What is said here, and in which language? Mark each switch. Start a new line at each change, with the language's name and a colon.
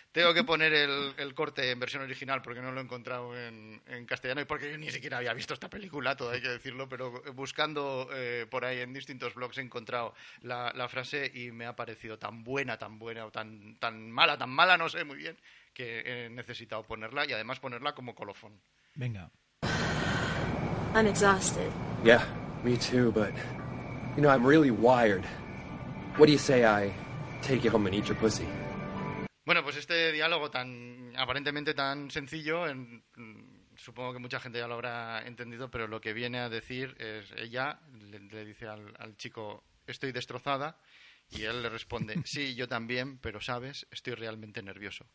Spanish: Tengo que poner el corte en versión original porque no lo he encontrado en castellano y porque yo ni siquiera había visto esta película, todo hay que decirlo, pero buscando por ahí en distintos blogs he encontrado la frase y me ha parecido tan buena o tan mala, no sé muy bien, que he necesitado ponerla y además ponerla como colofón. Venga.
English: I'm exhausted. Yeah, me too, but you know, I'm really wired. What do you say I take you home and eat your pussy?
Spanish: Bueno, pues este diálogo tan aparentemente tan sencillo, supongo que mucha gente ya lo habrá entendido, pero lo que viene a decir es, ella le dice al chico, estoy destrozada, y él le responde, sí, yo también, pero sabes, estoy realmente nervioso.